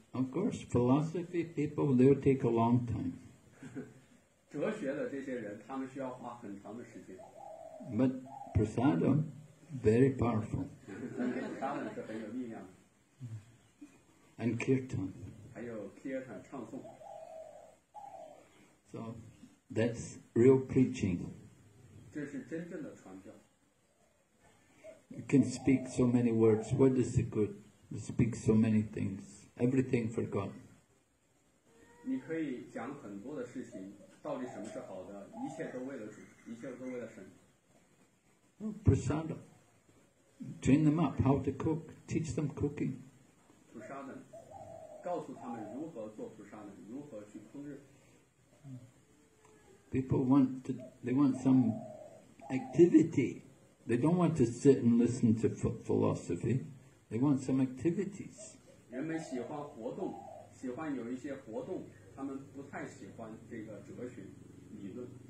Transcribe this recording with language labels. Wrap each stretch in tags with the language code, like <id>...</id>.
<en>Of course, philosophy people they will take a long time.</en> <zh>哲学的这些人，他们需要花很长的时间。</zh> <en>But prasadam, very powerful.</en> <zh>但是普沙门是很有力量的。</zh> <en>And kirtan.</en> <zh>还有 kirtan 唱诵。</zh> <en>So that's real preaching.</en> <zh>这是真正的传教。</zh> <en>You can speak so many words. What is the good? You speak so many things. Everything for God.</en> <zh>你可以讲很多的事情，到底什么是好的？一切都为了主，一切都为了神。</zh> <en>Prasadam. Train them up how to cook. Teach them cooking.</en> <zh>告诉他们如何做普沙门，如何去烹饪。</zh> <en>People want to, they want some activity. They don't want to sit and listen to philosophy. They want some activities.</en> <zh>人们喜欢活动，喜欢有一些活动，他们不太喜欢这个哲学理论。</zh>